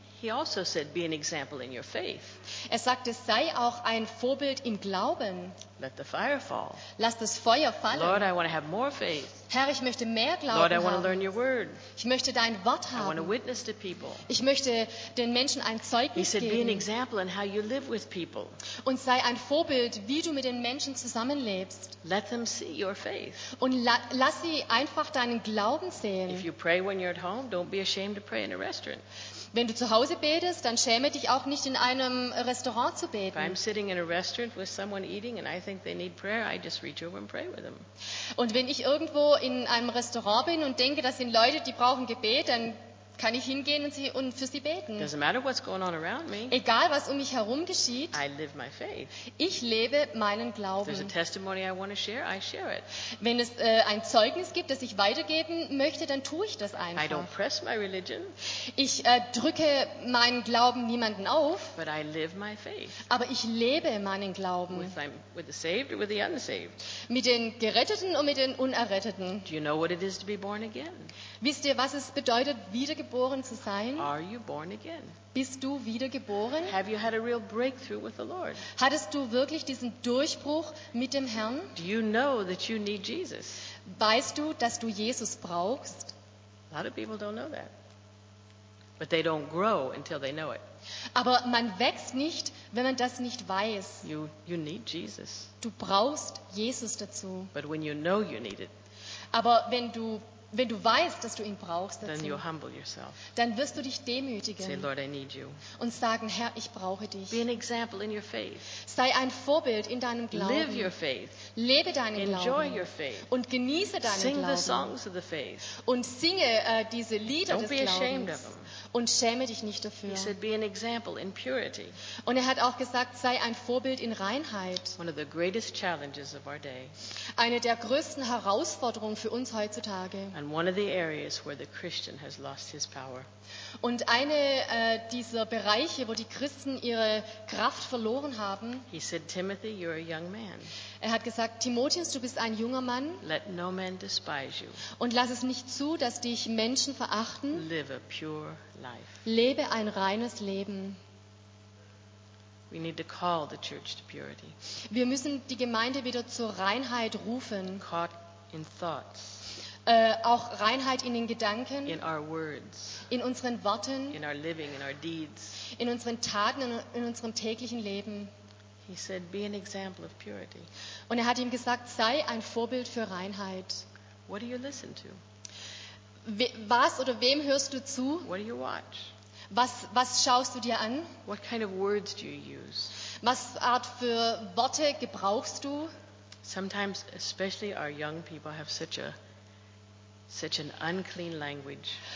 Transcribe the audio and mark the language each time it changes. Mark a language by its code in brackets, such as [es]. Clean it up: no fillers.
[en] He also said, be an example in your faith. [de] Er sagte, sei auch ein Vorbild im Glauben. [en] Let the fire fall. [de] Lass das Feuer fallen. [en] Lord, I want to have more faith. [de] Herr, ich möchte mehr Glauben haben. [en] Lord, I want to learn your word. [de] Ich möchte dein Wort haben. [en] I want to witness to people. [de] Ich möchte den Menschen ein Zeugnis geben. [en] He said, be an example in how you live with people. [de] Und sei ein Vorbild, wie du mit den Menschen zusammenlebst. [en] Let them see your faith. [de] Und lass sie einfach deinen Glauben sehen. [en] If you pray when you're at home, don't be ashamed to pray in a restaurant. [de] Wenn du zu Hause betest, dann schäme dich auch nicht, in einem Restaurant zu beten. [en] I'm sitting in a restaurant with someone eating and I think they need prayer, I just reach over and pray with them. [de] Und wenn ich irgendwo in einem Restaurant bin und denke, das sind Leute, die brauchen Gebet, dann kann ich hingehen und für sie beten. [en] Doesn't matter what's going on around me. [de] Egal, was um mich herum geschieht, [en] I live my faith. [de] Ich lebe meinen Glauben. [en] If there's a testimony I want to share, I share it. [de] Wenn es ein Zeugnis gibt, das ich weitergeben möchte, dann tue ich das einfach. [en] I don't press my religion. [de] Ich drücke meinen Glauben niemanden auf, [en] but I live my faith. [de] Aber ich lebe meinen Glauben. [en] With the saved or with the unsaved. [de] Mit den Geretteten und mit den Unerretteten. [en] Do you know what it is to be born again? [de] Wisst ihr, was es bedeutet, wiedergeboren zu sein? [en] Are you born again? [de] Bist du wiedergeboren? [en] Have you had a real breakthrough with the Lord? [de] Hattest du wirklich diesen Durchbruch mit dem Herrn? [en] Do you know that you need Jesus? [de] Weißt du, dass du Jesus brauchst? [en] A lot of people don't know that. But they don't grow until they know it. [de] Aber man wächst nicht, wenn man das nicht weiß. [en] You need Jesus. [de] Du brauchst Jesus dazu. [en] But when you know you need it. [de] Aber wenn du weißt, dass du ihn brauchst, dazu, [en] then you humble yourself. [de] Dann wirst du dich demütigen. [en] Say, Lord, I need you. [de] Und sagen, Herr, ich brauche dich. [en] Be an example in your faith. [de] Sei ein Vorbild in deinem Glauben. [en] Live your faith. [de] Lebe deinen [en] Enjoy [de] Glauben. [en] Your faith. [de] Und genieße deinen [en] Sing [de] Glauben. [en] The songs of the faith. [de] Und singe diese Lieder [en] Don't [de] des Glaubens. [en] Be ashamed of them. [de] Und schäme dich nicht dafür. [en] He said, be an example in purity. [de] Und er hat auch gesagt, sei ein Vorbild in Reinheit. [en] One of the greatest challenges of our day. [de] Eine der größten Herausforderungen für uns heutzutage. [en] And one of the areas where the Christian has lost his power. [de] Und eine dieser Bereiche, wo die Christen ihre Kraft verloren haben. [en] He said, Timothy, you're a young man. [de] Er hat gesagt, Timotheus, du bist ein junger Mann. [en] Let no man despise you. [de] Und lass es nicht zu, dass dich Menschen verachten. [en] Live a pure life. [de] Lebe ein reines Leben. [en] We need to call the church to purity. [de] Wir müssen die Gemeinde wieder zur Reinheit rufen. [en] Caught in thoughts. [de] Auch Reinheit in den Gedanken, [en] in, our words, [de] in unseren Worten, [en] in, our living, in, our deeds. [de] In unseren Taten, in unserem täglichen Leben. [en] He said, be an example of purity. [de] Und er hat ihm gesagt, sei ein Vorbild für Reinheit. [en] What do you listen to? [de] Was oder wem hörst du zu? [en] What do you watch? [de] Was schaust du dir an? [en] What kind of words do you use? [de] Was Art für Worte gebrauchst du? [en] Sometimes, especially our young people have such an unclean language.